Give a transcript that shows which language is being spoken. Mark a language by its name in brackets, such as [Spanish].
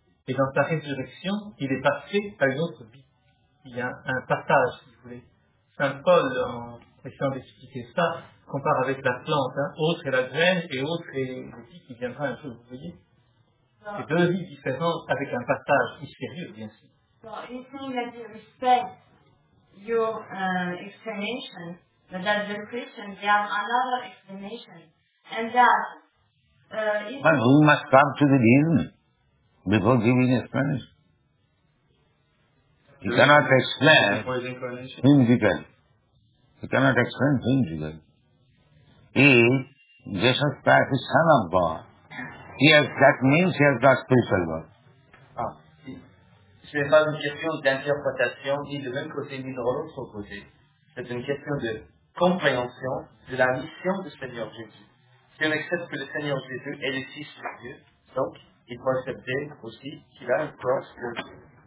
[French] Et dans sa résurrection, il est passé à une autre vie. Il y a un partage, si vous voulez. Saint Paul, en essayant d'expliquer ça, compare avec la plante, hein. Autre est la graine et autre est la vie qui viendra un jour, vous voyez. C'est deux vies différentes avec un partage mystérieux, bien sûr. [English] So you think that you respect your explanation, but that the Christians, they have another explanation, and that... But we must come to the reason before giving explanation. You cannot explain Hinduism. You cannot explain Hinduism. He, Jesus Christ, is Son of God. He has, that means he has got spiritual birth. [French] Ce n'est pas une question d'interprétation ni de l'un côté ni de l'autre côté. C'est une question de compréhension de la mission du Seigneur Jésus. Si on accepte que le Seigneur Jésus est le Fils de Dieu, donc il faut accepter aussi qu'il a une croix de Dieu.